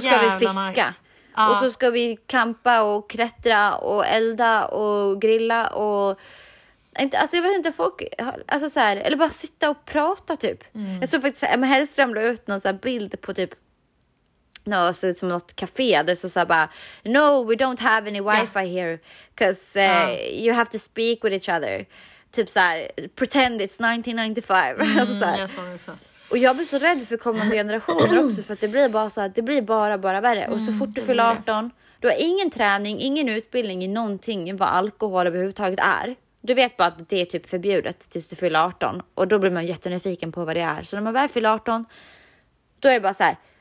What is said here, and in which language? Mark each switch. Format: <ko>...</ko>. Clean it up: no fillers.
<sv>ska vi fiska. Nice. Och så ska vi kampa och klättra och elda och grilla. Och... Alltså, jag vet inte, folk... Alltså, så här, eller bara sitta och prata, typ. Mm. Jag såg faktiskt Emma Hellström la ut någon så här bild på typ... Alltså, som något café. Det så här bara...</sv> <en>No, we don't have any wifi here. Because you have to speak with each other.</en> <sv>Typ så här,</sv> <en>pretend it's 1995.</en> <sv>Alltså så här. Jag såg också. Och jag blir så rädd för kommande generationer också. För att det blir bara så här, det blir bara värre. Och så fort du fyller 18, du har ingen träning, ingen utbildning i någonting vad alkohol överhuvudtaget är. Du vet bara att det är typ förbjudet tills du fyller 18. Och då blir man jättenyfiken på vad det är. Så när man väl fyller 18, då är det bara så här,</sv>